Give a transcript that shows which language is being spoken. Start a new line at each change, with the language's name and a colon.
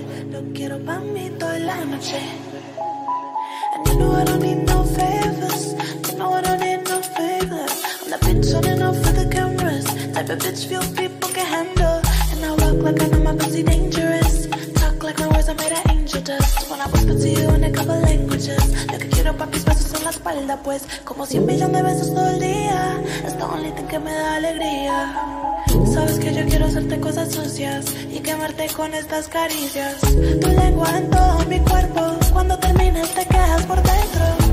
Spanish: No quiero pa mí toda la noche.
English: And you know I don't need no favors. You know I don't need no favors. I'm not bitch on and off for the cameras. Type of bitch few people can handle. Like I know my pussy dangerous. Talk like my words are made of angel dust. When I whisper to you in a couple languages.
Spanish: Lo que quiero pa' mis besos en la espalda pues. Como 100 millones de besos todo el día. Es
English: the only thing
Spanish: que me da alegría. Sabes que yo quiero hacerte cosas sucias y quemarte con estas caricias. Tu lengua en todo mi cuerpo. Cuando termines te quedas por dentro.